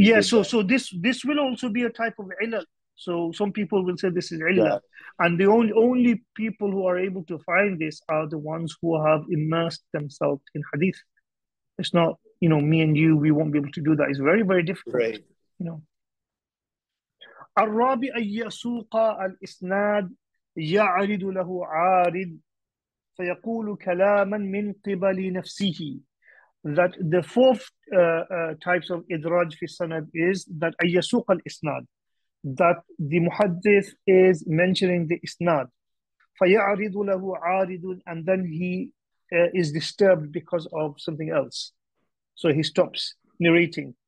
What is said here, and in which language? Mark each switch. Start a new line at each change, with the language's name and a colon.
English: yeah, so this will also be a type of ilal. So some people will say this is ilal. Yeah. And the only people who are able to find this are the ones who have immersed themselves in hadith. It's not, you know, me and you, we won't be able to do that. It's very, very difficult. Right. No.
Arabic: الرابع يسوق الإسناد يعرض له عارض فيقول كلاما من قبل نفسه.
English: that the fourth types of idraj fi sanad is that ayasuq al isnad, that the muhaddith is mentioning the isnad,
Arabic: fayaridu lahu aridun,
English: and then he is disturbed because of something else, so he stops narrating.